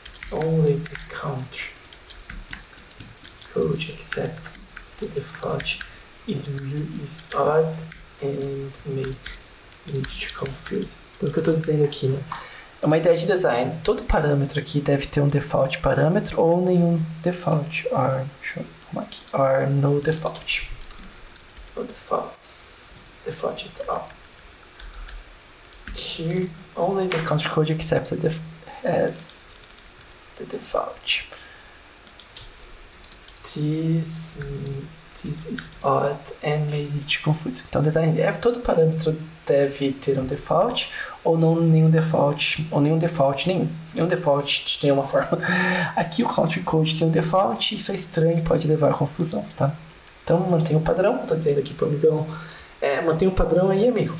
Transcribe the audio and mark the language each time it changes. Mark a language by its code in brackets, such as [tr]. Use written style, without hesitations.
[en] Only the country code accepts the default is odd and may lead to confusion. [pt] Então, o que eu tô dizendo aqui, né? É uma ideia de design. Todo parâmetro aqui deve ter um default parâmetro ou nenhum default. [en] Or, [pt] deixa eu arrumar aqui. [en] Or no default. No defaults. Default at all. Here, only the country code accepts the def as the default. This is odd and may lead to confusion. [pt] Então, design é todo parâmetro. Deve ter um default ou não nenhum default, ou nenhum default, nenhum default de nenhuma forma. Aqui o country code tem um default, isso é estranho, pode levar à confusão, tá? Então mantém o padrão, tô dizendo aqui pro amigão, mantém o padrão aí, amigo.